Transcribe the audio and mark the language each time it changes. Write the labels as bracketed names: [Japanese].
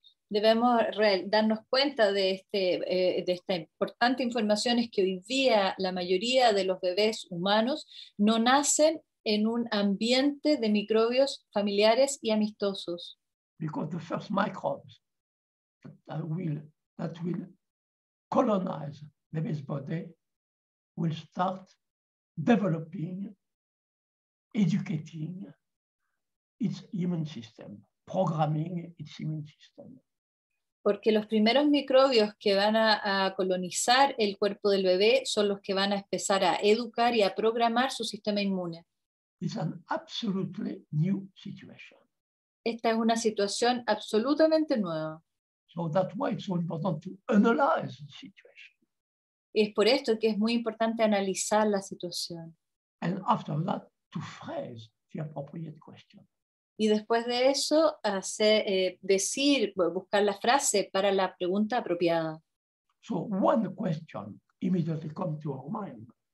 [Spanish] Debemos darnos cuenta de esta importante información es que hoy día la mayoría de los bebés humanos no nacen en un ambiente de microbios familiares y amistosos. [English] Because the first microbes that will colonize the baby's body will start developing, educating its immune system, programming its immune system. [Spanish] Porque los primeros microbios que van a colonizar el cuerpo del bebé son los que van a empezar a educar y a programar su sistema inmune. [English] It's an absolutely new situation. [Spanish] Esta es una situación absolutamente nueva. [English] So that's why it's so important to analyze the situation. [Spanish] Y es por esto que es muy importante analizar la situación. [English] And after that, to phrase the appropriate question. [Spanish] Y después de eso, buscar la frase para la pregunta apropiada. [English] So one question immediately comes to our mind.